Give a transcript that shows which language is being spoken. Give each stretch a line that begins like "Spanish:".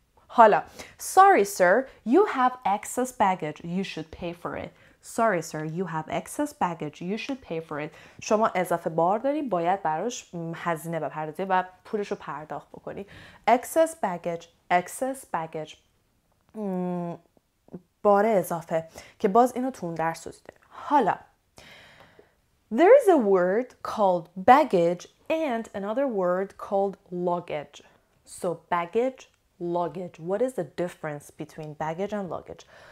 English: حالا Sorry sir, you have excess baggage, you should pay for it. Sorry sir, you have excess baggage, you should pay for it.
Persian: شما اضافه بار داری، باید براش هزینه بپردازی و پولش رو پرداخت بکنی.
English: Excess baggage.
Persian: بار اضافه که باز اینو تو اون درس دیدی.
English: حالا There is a word called baggage and another word called luggage. So baggage, luggage. What is the difference between baggage and luggage?